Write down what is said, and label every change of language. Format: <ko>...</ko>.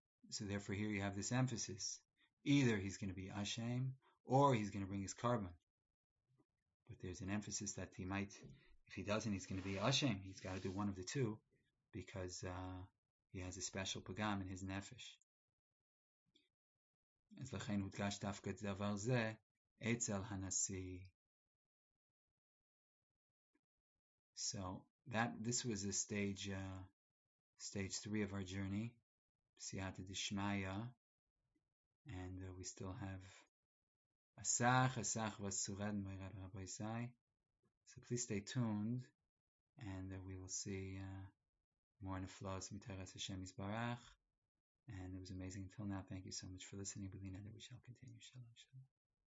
<en>So therefore, here you have this emphasis. Either he's going to be ashamed, or he's going to bring his karban. But there's an emphasis that he might, if he doesn't, he's going to be ashamed. He's got to do one of the two, because he has a special pagam in his nefesh.</en> <he>אז לכן הודגש דווקא דבר זה אצל הנשיא.</he> <en>So this was a stage three of our journey, Siyata Dishmaya, and we still have Asach Vasurad Moirad Rabbo Isai. So please stay tuned, and we will see more in the flows Mitaras Hashem Yisbarach. And it was amazing until now. Thank you so much for listening. Believe that we shall continue. Shalom, shalom.</en>